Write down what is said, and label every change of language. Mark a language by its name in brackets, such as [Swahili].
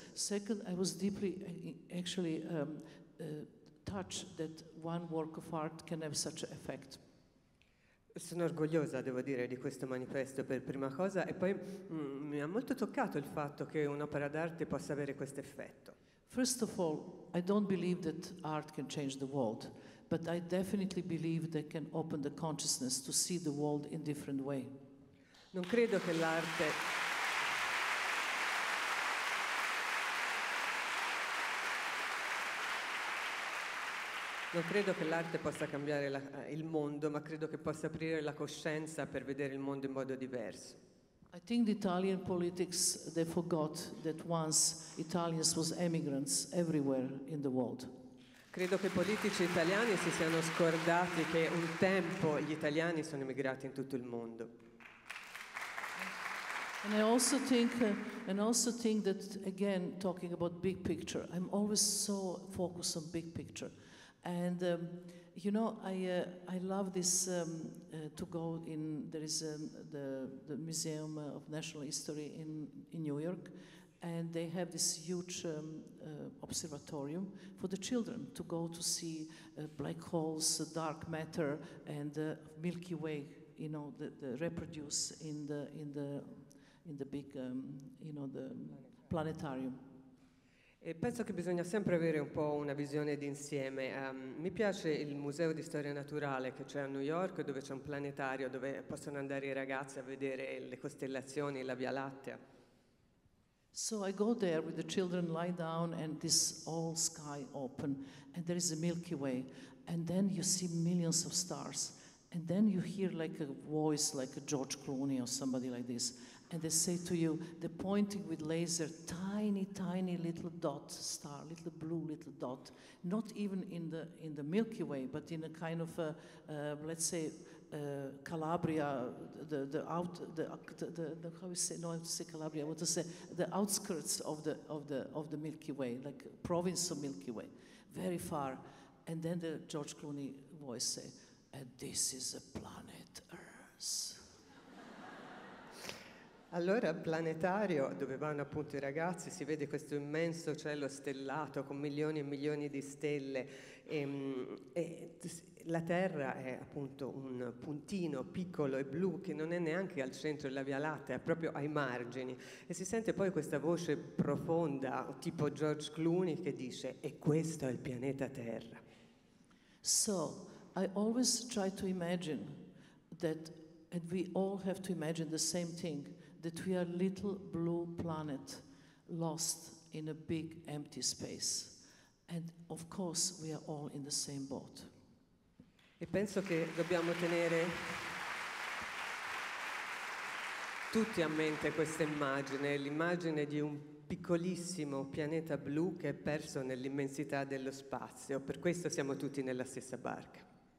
[English] Second, I was deeply actually touched that one work of art can have such an effect. [Italian] Sono orgogliosa, devo dire, di questo manifesto per prima cosa, e poi mi ha molto toccato il fatto che un'opera d'arte possa avere questo effetto. [English] First of all, I don't believe that art can change the world, but I definitely believe that can open the consciousness to see the world in different way. [Italian] Non credo che l'arte... Non credo che l'arte possa cambiare il mondo, ma credo che possa aprire la coscienza per vedere il mondo in modo diverso. [English] I think the Italian politics, they forgot that once Italians was immigrants everywhere in the world. [Italian] Credo che i politici italiani si siano scordati che un tempo gli italiani sono emigrati in tutto il mondo. [English] And I also think that, again, talking about big picture, I'm always so focused on big picture. And you know, I love this to go in. There is the Museum of National History in New York, and they have this huge observatorium for the children to go to see black holes, dark matter, and Milky Way. You know, the reproduce in the big the planetarium. [Italian] E penso che bisogna sempre avere un po' una visione d'insieme. Mi piace il Museo di Storia Naturale che c'è a New York, dove c'è un planetario dove possono andare i ragazzi a vedere le costellazioni, la Via Lattea. [English] So I go there with the children, lie down, and this whole sky open, and there is a Milky Way, and then you see millions of stars, and then you hear like a voice like George Clooney or somebody like this. And they say to you, they're pointing with laser, tiny, tiny little dot star, little blue little dot, not even in the Milky Way, but in a kind of, let's say, Calabria, the outskirts of the Milky Way, like province of Milky Way, very far. And then the George Clooney voice say, and this is a planet Earth. [Italian] Allora, al planetario, dove vanno appunto i ragazzi, si vede questo immenso cielo stellato con milioni e milioni di stelle, e la Terra è appunto un puntino piccolo e blu che non è neanche al centro della Via Lattea, è proprio ai margini. E si sente poi questa voce profonda, tipo George Clooney, che dice: e questo è il pianeta Terra. [English] So, I always try to imagine that, and we all have to imagine the same thing, that we are little blue planet lost in a big empty space. And of course we are all in the same boat. [Italian] E penso che dobbiamo tenere tutti a mente questa immagine, l'immagine di un piccolissimo pianeta blu che è perso nell'immensità dello spazio. Per questo siamo tutti nella stessa barca.